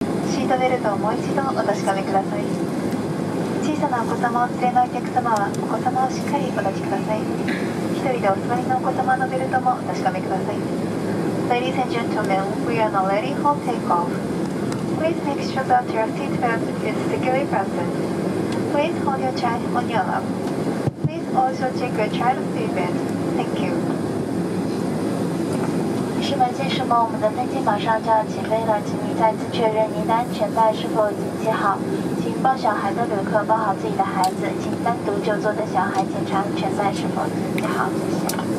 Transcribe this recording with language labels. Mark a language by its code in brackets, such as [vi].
[ja] シートベルトをもう一度お確かめください。小さなお子様をお連れのお客様はお子様をしっかりお抱きください。一人でお座りのお子様のベルトもお確かめください。 [en] Ladies and gentlemen, we are now ready for takeoff. Please make sure that your seat belt is securely fastened. Please hold your child on your lap. Please also check your child's seat belt. Thank you. [zh] 女士们、先生们，我们的飞机马上就要起飞了，请你再次确认您的安全带是否已经系好。抱小孩的旅客，抱好自己的孩子，请单独就坐的小孩检查安全带是否系好，谢谢。